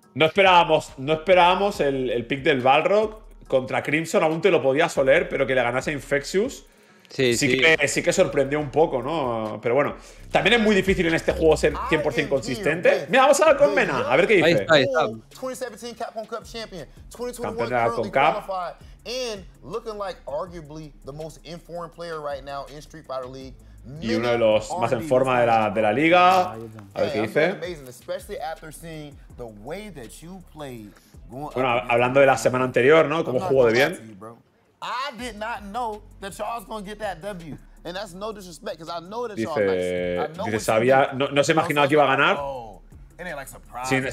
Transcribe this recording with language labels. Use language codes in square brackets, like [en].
[es] No esperábamos el pick del Balrog contra Crimson. Aún te lo podías oler, pero que le ganase Infectious. Sí que sorprendió un poco, ¿no? Pero bueno, también es muy difícil en este juego ser 100% consistente. Mira, vamos a hablar con Mena, a ver qué dice. Ahí está, ahí está. Campeón de la CONCACAF. [en] And looking like arguably the most informed player right now in Street Fighter League. [es] Y uno de los más en forma de la liga. A ver qué dice. [en] Especially after seeing the way that you played. [es] Bueno, hablando de la semana anterior, ¿no? Cómo jugó de bien. [en] I did not know that Charles gonna get that W, and that's no disrespect, because I know that [es] dice, Charles. Dice, sabía, no se imaginaba que iba a ganar.